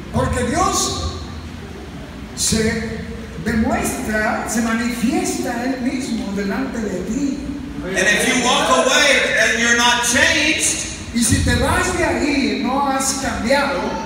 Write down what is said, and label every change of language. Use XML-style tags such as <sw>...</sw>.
<es>Porque Dios se demuestra, se manifiesta él mismo delante de ti.</es> <en>And if you walk away and you're not changed,</en> <es>y si te vas de ahí y no has cambiado,</es>